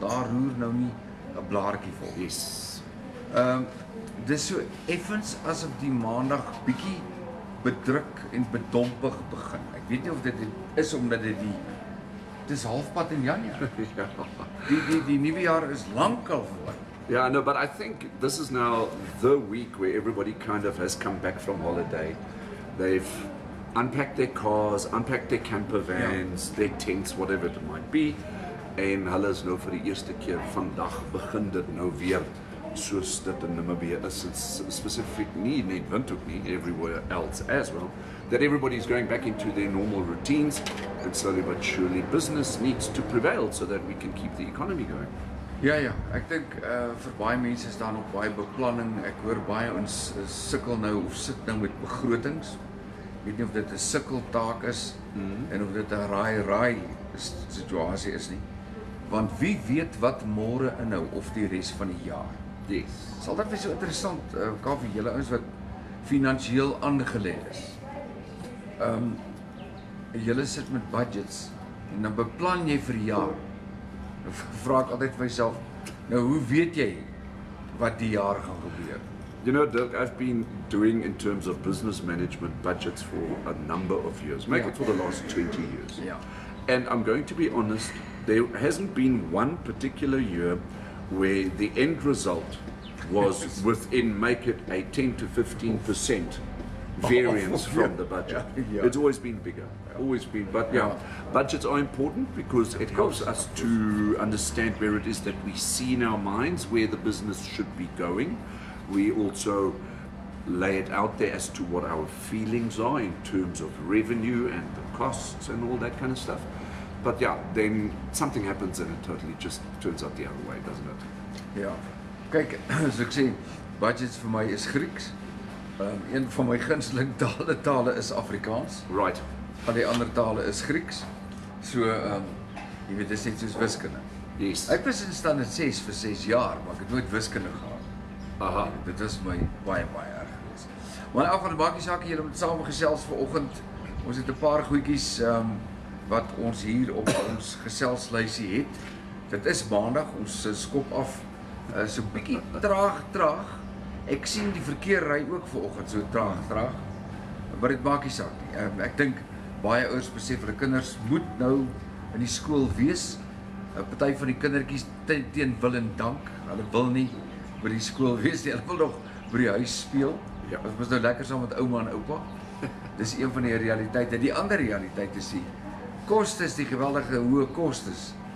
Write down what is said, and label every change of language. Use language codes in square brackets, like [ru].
[af] Daar roer nou nie 'n blaartjie vol. [en] Yes. [af] Dis so effens asof die maandag bietjie bedruk en bedompig begin. Ek weet nie of dit is omdat dit die dis halfpad in Januarie. Die nuwe jaar is lankal voorby. [en] Yeah, no, but I think this is now the week where everybody kind of has come back from holiday. They've unpacked their cars, unpacked their camper vans, yeah. Their tents, whatever it might be. [af] En hulle is nou vir die eerste keer vandag begin dit nou weer soos dit in Namibia is. [en] It's specific need, [af] net windhoek nie, [en] everywhere else as well. That everybody's going back into their normal routines and slowly but surely business needs to prevail so that we can keep the economy going. [af] Ja ja, ek dink vir baie mense is daar nog baie beplanning. Ek hoor baie ons sukkel nou of sit nou met begrotings. Ek weet nie of dit 'n sukkeltaak is en of dit 'n raai situasie is nie. Want wie weet wat môre inhou of die res van die jaar. [en] Yes. [af] Sal dit wees so interessant, Kaufeee, julle ouens wat finansiëel aangelê is. Julle sit met budgets en dan beplan jy vir die jaar. Vraag altyd vir myself, nou hoe weet jy wat die jaar gaan gebeur? [en] You know, Dirk, I've been doing in terms of business management budgets for a number of years, make it for the last 20 years. Yeah. And I'm going to be honest, there hasn't been one particular year where the end result was within make it a 10 to 15% variance from the budget. Yeah. It's always been bigger. Always been, but budgets are important because it helps us to understand where it is that we see in our minds where the business should be going. We also lay it out there as to what our feelings are in terms of revenue and the costs and all that kind of stuff. But yeah, then something happens and it totally just turns out the other way, doesn't it? [af] Yeah. Kijk, as ek sê, budgets vir my is Grieks. Een van my gunsteling tale is Afrikaans. [en] Right. [af] Van die ander tale is Grieks. So, jy weet, dis net soos wiskunde. [en] Yes. [af] Ek was in standaard 6 vir 6 jaar, maar ek het nooit wiskunde gehad. Aha. Dit was my baie, baie erg geweest. Maar in elk geval, maak die saak, julle het samengesels vanoggend. Ons het 'n paar goedjies wat ons hier op ons geselslysie het. Dit is maandag, ons skop af. So 'n bietjie traag. Ek sien die verkeer ry ook vanoggend so traag. Maar dit maak die saak nie. Ek dink baie ouers besef hulle kinders moet nou in die skool wees. 'N Party van die kindertjies teen wil en dank. Hulle wil nie by die skool wees nie. Hulle wil nog by die huis speel. Ja, ons moet nou lekker saam met ouma en oupa. Dis een van die realiteite. Die ander realiteit is die kostes, die geweldige hoë kostes.